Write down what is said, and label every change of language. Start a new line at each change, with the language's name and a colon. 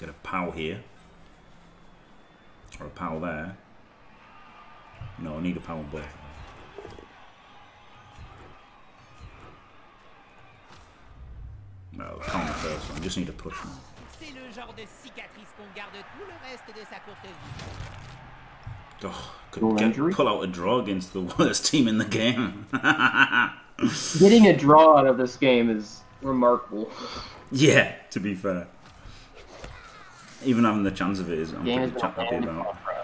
English: pow here. Or a pow there. No, I need a pow on both. No, pow on the first one. I just need to push now.
French: C'est le genre de cicatrice qu'on garde tout le reste de sa courte vie.
English: Oh, could get, pull out a draw against the worst team in the game. Getting a draw out of this game is remarkable. Yeah, to be fair. Even having the chance of it is, I'm game pretty is happy about.